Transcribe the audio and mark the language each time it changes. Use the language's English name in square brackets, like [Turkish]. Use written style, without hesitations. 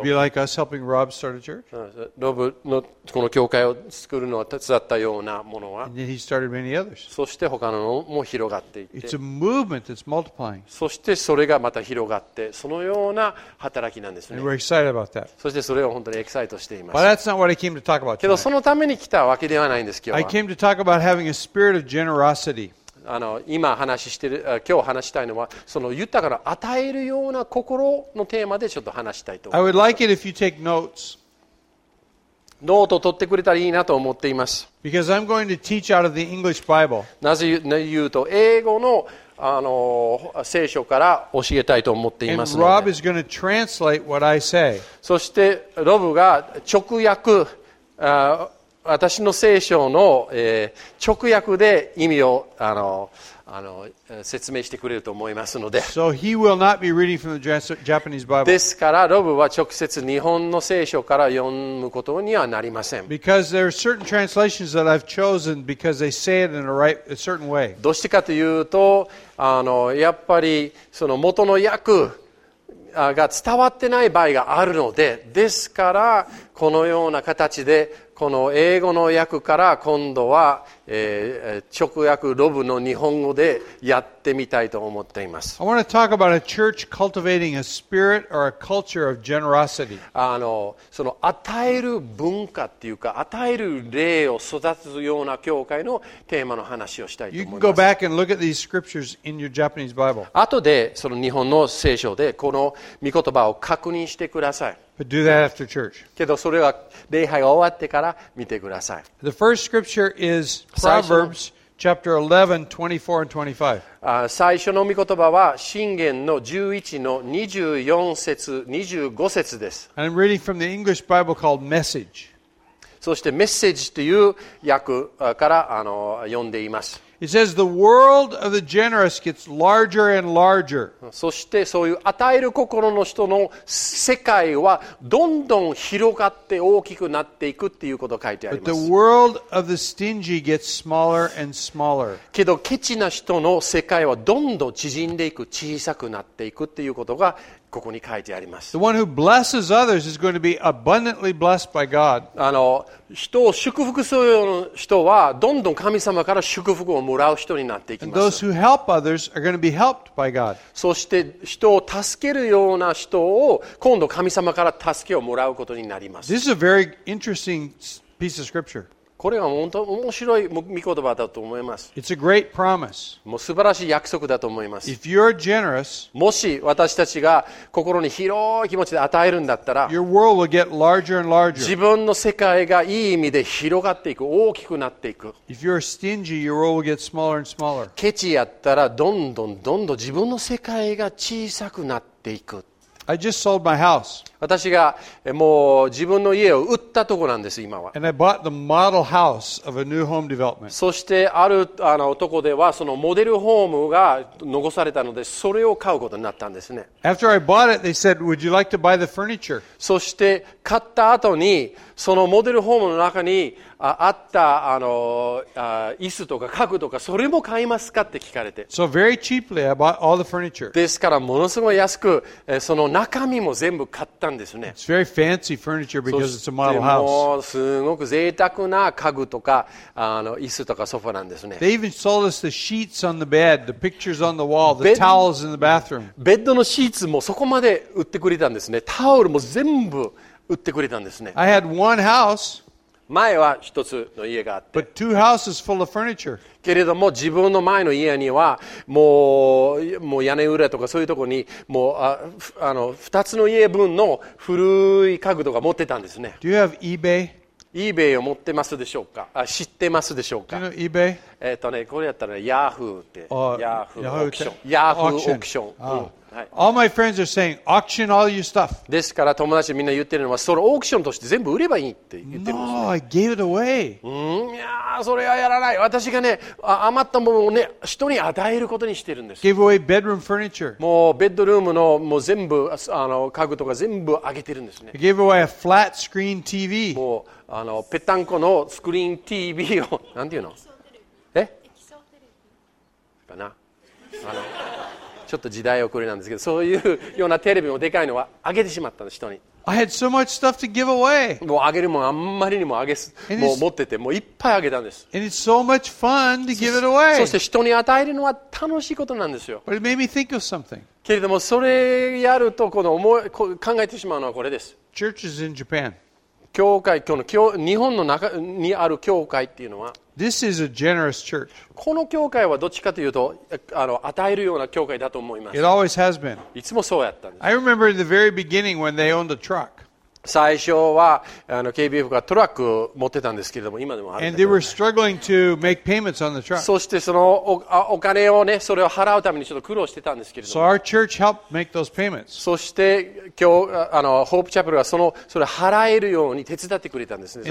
[English] It would be like us helping Rob start a church. [Japanese] ロブのこの教会を作るのは手伝ったようなものは。 [English] And then he started many others. [Japanese] そして他のも広がっていって。 [English] It's a movement. It's multiplying. [Japanese] そしてそれがまた広がってそのような働きなんですね。 [English] And we're excited about that. [Japanese] そしてそれを本当にエキサイトしています。 [English] But that's not what I came to talk about tonight. [Japanese] けどそのために来たわけではないんです今日は。 [English] I came to talk about having a spirit of generosity. [Japanese] 今話してる今日話したいのはその豊かな与えるような心のテーマでちょっと話したいと思います。 [English] I would like it if you take notes. [Japanese] ノートを取ってくれたらいいなと思っています。 [English] Because I'm going to teach out of the English Bible. [Japanese] なぜ言うと英語の聖書から教えたいと思っていますので。 [English] And Rob is going to translate what I say. [Japanese] そしてロブが直訳、私の聖書の、直訳で意味を説明してくれると思いますので。 [English] So he will not be reading from the Japanese Bible. [Japanese] ですからロブは直接日本の聖書から読むことにはなりません。 [English] Because there are certain translations that I've chosen because they say it in a certain way. [Japanese] どうしてかというとやっぱりその元の訳が伝わってない場合があるので、ですからこのような形でこの英語の訳から今度は、直訳ロブの日本語でやってみたいと思っています。 [English] I want to talk about a church cultivating a spirit or a culture of generosity. [Japanese] その与える文化っていうか与える霊を育つような教会のテーマの話をしたいと思います。 [English] You can go back and look at these scriptures in your Japanese Bible. [Japanese] 後でその日本の聖書でこの御言葉を確認してください。 [English] But do that after church. [Japanese] けどそれは礼拝が終わってから見てください。 [English] The first scripture is Proverbs chapter 11, 24 and 25. [Japanese] 最初の御言葉は箴言の11の24節、25節です。 [English] I'm reading from the English Bible called Message. [Japanese] そしてメッセージという訳から読んでいます。 [English] It says the world of the generous gets larger and larger. [Japanese] そしてそういう与える心の人の世界はどんどん広がって大きくなっていくっていうことを書いてあります。 [English] But the world of the stingy gets smaller and smaller. [Japanese] けどケチな人の世界はどんどん縮んでいく、小さくなっていくっていうことがここに書いてあります。 [English] The one who blesses others is going to be abundantly blessed by God. [Japanese] 人を祝福する人はどんどん神様から祝福をもらう人になっていきます。 [English] And those who help others are going to be helped by God. [Japanese] そして人を助けるような人を今度神様から助けをもらうことになります。 [English] This is a very interesting piece of scripture. [Japanese] これは本当に面白い御言葉だと思います。 [English] It's a great promise. [Japanese] もう素晴らしい約束だと思います。 [English] If you're generous, [Japanese] もし私たちが心に広い気持ちで与えるんだったら、 [English] your world will get larger and larger. [Japanese] 自分の世界がいい意味で広がっていく、大きくなっていく。 [English] If you're stingy, your world will get smaller and smaller. [Japanese] ケチやったらどんどんどんどん自分の世界が小さくなっていく。 [English] I just sold my house. [Japanese] 私がもう自分の家を売ったところなんです今は。 [English] And I bought the model house of a new home development. [Japanese] そしてあるとこではそのモデルホームが残されたのでそれを買うことになったんですね。 [English] After I bought it, they said, would you like to buy the furniture? [Japanese] そして買った後にそのモデルホームの中にあった椅子とか家具とかそれも買いますかって聞かれて。 [English] So very cheaply, I bought all the furniture. [Japanese] ですからものすごい安くその中身も全部買ったんんですね。 [English] It's very fancy furniture because it's a model house. [Japanese] もうすごく贅沢な家具とか、あの椅子とかソファなんですね。 [English] They even sold us the sheets on the bed, the pictures on the wall, the towels in the bathroom. [Japanese] ベッドのシーツもそこまで売ってくれたんですね。タオルも全部売ってくれたんですね。 [English] I had one house. [Japanese] 前は一つの家があって [English] But two houses full of furniture. [Japanese] けれども自分の前の家にはもう屋根裏とかそういうところにもうあの二つの家分の古い家具とか持ってたんですね。 [English] Do you have eBay? [Japanese] eBay を持ってますでしょうか、あ、知ってますでしょうか。 [English] Do you know eBay? [Japanese] これやったら Yahoo って、Yahoo Auction。 [English] All my friends are saying, auction all your stuff. [Japanese] ですから友達みんな言ってるのは、それオークションとして全部売ればいいって言ってます、ね。 [English] No, I gave it away. [Japanese] いやそれはやらない。私がね、余ったものをね、人に与えることにしてるんです。 [English] Give away bedroom furniture. [Japanese] もうベッドルームのもう全部あの家具とか全部あげてるんですね。 [English] I gave away a flat screen TV. [Japanese] もうあのペタンコのスクリーン TV をなんていうの？え？かな？あの。ちょっと時代遅れなんですけど、そういうようなテレビもでかいのはあげてしまったの人に。 [English] I had so much stuff to give away. [Japanese] もうあげるもんあんまりにもあげす、もう持ってて、もういっぱいあげたんです。 [English] And it's so much fun to give it away. [Japanese] そして人に与えるのは楽しいことなんですよ。 [English] But it made me think of something. [Japanese] けれどもそれやるとこの思い、考えてしまうのはこれです。 [English] Churches in Japan. [Japanese] 教会、この教、日本の中にある教会っていうのは。 [English] This is a generous church. [Japanese] この教会はどっちかというとあの与えるような教会だと思います。 [English] It always has been. [Japanese] いつもそうやったんです。 [English] I remember in the very beginning when they owned a truck. [Japanese] 最初はあの KBF がトラックを持ってたんですけれども今でもある。 [English] And they were struggling to make payments on the truck. [Japanese] そしてその お金をねそれを払うためにちょっと苦労してたんですけれども。 [English] So our church helped make those payments. [Japanese] そして今日あのホープチャペルがそのそれ払えるように手伝ってくれたんですね。